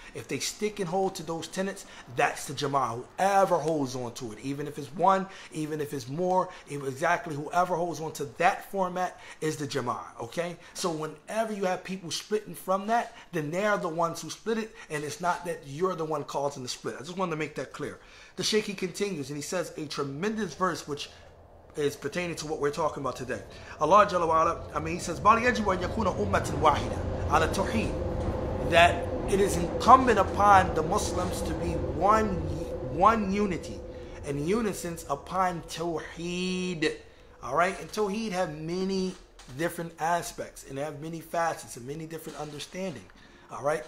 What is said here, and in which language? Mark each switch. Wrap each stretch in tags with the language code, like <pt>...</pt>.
<en>If they stick and hold to those tenets, that's the Jama'ah. Whoever holds on to it, even if it's one, even if it's more, exactly whoever holds on to that format is the Jama'ah, okay? So whenever you have people splitting from that, then they're the ones who split it, and it's not that you're the one causing the split. I just wanted to make that clear. The Sheikh, he continues, and he says a tremendous verse, which is pertaining to what we're talking about today. Allah Jalla wa'ala, I mean, he says,</en> <ar>بَلْ يَجْبُ أَنْ يَكُونَ أُمَّةٍ وَاحِدًا عَلَى التَّوْحِيدٍ.</ar> <en>That it is incumbent upon the Muslims to be one unity and unison upon Tawheed. Alright? And Tawheed have many different aspects and have many facets and many different understanding. Alright?</en>